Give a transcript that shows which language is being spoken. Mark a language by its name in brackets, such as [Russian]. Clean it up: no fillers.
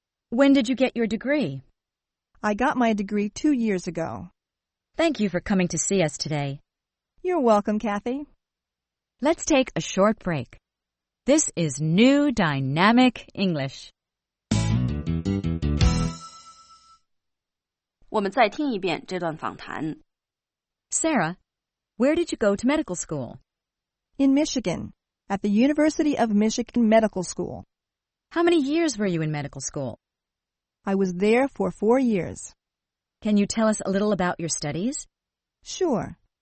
[English] When did you get your degree? I got my degree 2 years ago. Thank you for coming to see us today. You're welcome, Kathy. Let's take a short break. This is New Dynamic English. [Chinese] 我们再听一遍这段访谈。 [English] Sarah, where did you go to medical school? In Michigan, at the University of Michigan Medical School. How many years were you in medical school? I was there for 4 years. Can you tell us a little about your studies? Sure.